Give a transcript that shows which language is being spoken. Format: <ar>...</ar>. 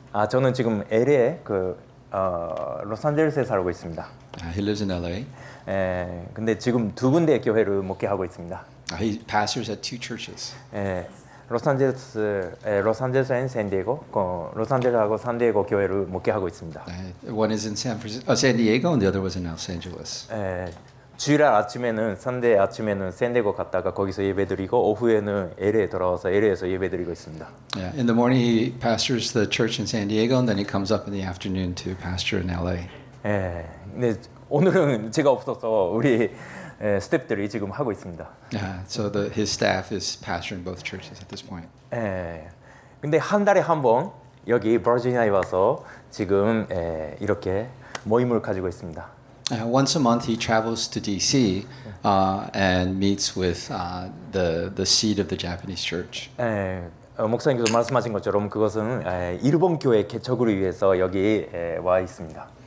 <ko>저는 지금 LA 그 로스앤젤레스에 살고 있습니다.</ko> <en>He lives in LA.</en> <ko>근데 지금 두 군데 교회를 목회하고 있습니다.</ko> <en>He pastors at two churches.</en> <ko>로스앤젤레스 앤 샌디에고, 로스앤젤레스하고 샌디에고 교회를 목회하고 있습니다.</ko> <en>One is in San Francisco, San Diego, and the other was in Los Angeles.</en> <ko>주일날 아침에는 산대 아침에는 샌디에고 갔다가 거기서 예배드리고 오후에는 LA에 돌아와서 LA에서 예배드리고 있습니다.</ko> <en>Yeah, in the morning he pastors the church in San Diego and then he comes up in the afternoon to pastor in LA.</en> <ko>네, 오늘은 제가 없어서 우리 스태프들이 지금 하고 있습니다.</ko> <en>Yeah, so his staff is pastoring both churches at this point.</en> <ko>근데 한 달에 한 번 여기 버지니아에 와서 지금 이렇게 모임을 가지고 있습니다.</ko> <en>Once a month, he travels to D.C. And meets with the seat of the Japanese Church.</en> <ko>목사님께서 말씀하신 것처럼 그것은 일본 교회 개척을 위해서 여기 와 있습니다.</ko>